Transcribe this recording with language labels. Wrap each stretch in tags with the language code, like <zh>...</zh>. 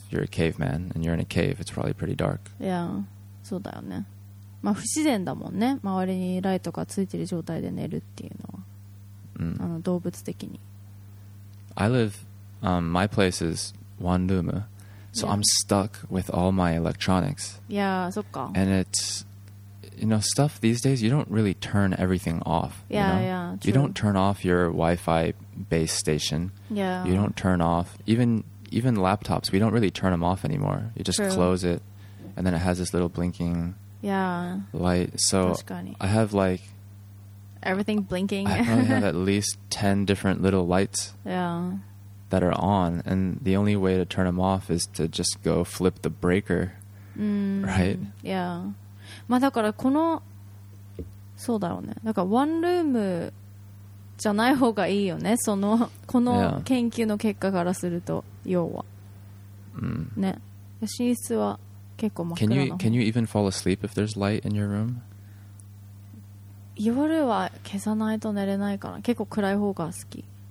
<en>If you're a caveman and you're in a cave, it's probably pretty dark.</en> <ja>Yeah, そうだよね。まあ不自然だもんね。周りにライトがついてる状態で寝るっていうのは、動物的に。</ja> <en>I live, my place is Wanluma. So I'm stuck with all my electronics.</en> <ja>Yeah, そっか。</ja> <en>And it's, you know, stuff these days, you don't really turn everything off. Yeah, you know? Yeah, true. You don't turn off your Wi-Fi base station. Yeah. You don't turn off, even laptops, we don't really turn them off anymore. You just close it, and then it has this little blinking light. So I have like... Everything blinking. I probably have at least 10 different little lights. Yeah. that are on, and the only way to turn them off is to just go flip the breaker, right? Yeah.</en> <ja>まあだからこのそうだろうね。なんかワンルームじゃない方がいいよね。そのこの研究の結果からすると要は、ね。寝室は結構真っ暗な方。</ja> <en>Can you even fall asleep if there's light in your room?</en> <ja>夜は消さないと寝れないから結構暗い方が好き。</ja>